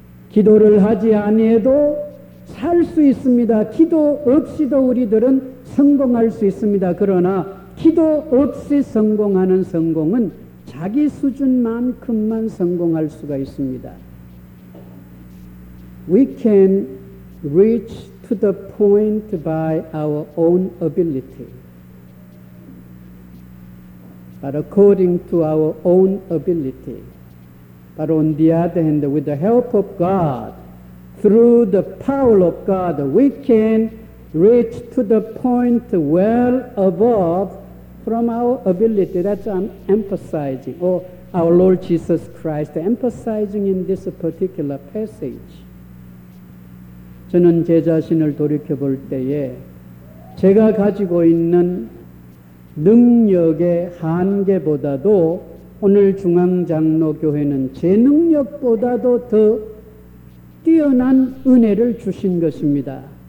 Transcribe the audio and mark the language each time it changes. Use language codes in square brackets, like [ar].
[ko] 기도를 하지 아니해도 살 수 있습니다. 기도 없이도 우리들은 성공할 수 있습니다. 그러나 기도 없이 성공하는 성공은 자기 수준만큼만 성공할 수가 있습니다. [en] We can reach to the point by our own ability. But according to our own ability. But on the other hand, with the help of God, through the power of God, we can reach to the point well above from our ability. That's what I'm emphasizing, or our Lord Jesus Christ emphasizing in this particular passage. [ko] 저는 제 자신을 돌이켜볼 때에 제가 가지고 있는 능력의 한계보다도 오늘 중앙장로교회는 제 능력보다도 더 뛰어난 은혜를 주신 것입니다.